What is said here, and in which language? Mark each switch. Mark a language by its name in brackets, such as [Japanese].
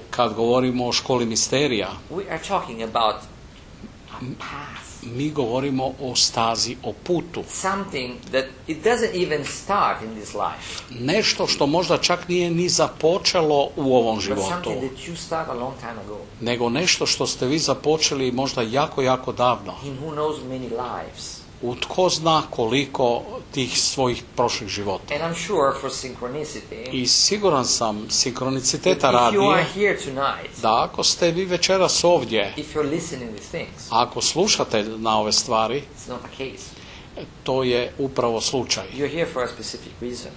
[Croatian] kad govorimo o školi misterija, [English] we are talking about a path. [Croatian] Mi govorimo o stazi, o putu. [English] Something that it doesn't even start in this life. [Croatian] Nešto što možda čak nije ni započelo u ovom životu. [English] But something that you start a long time ago. [Croatian] Nego nešto što ste vi započeli možda jako, jako davno. [English] In who knows many lives. [Croatian] U tko zna koliko tih svojih prošlih života. [English] And I'm sure for synchronicity, [Croatian] i siguran sam, sinkroniciteta radi, da ako ste vi večeras ovdje, [English] if you're listening to things, [Croatian] ako slušate na ove stvari, [English] it's not the case. [Croatian] To je upravo slučaj. [English] You're here for a specific reason.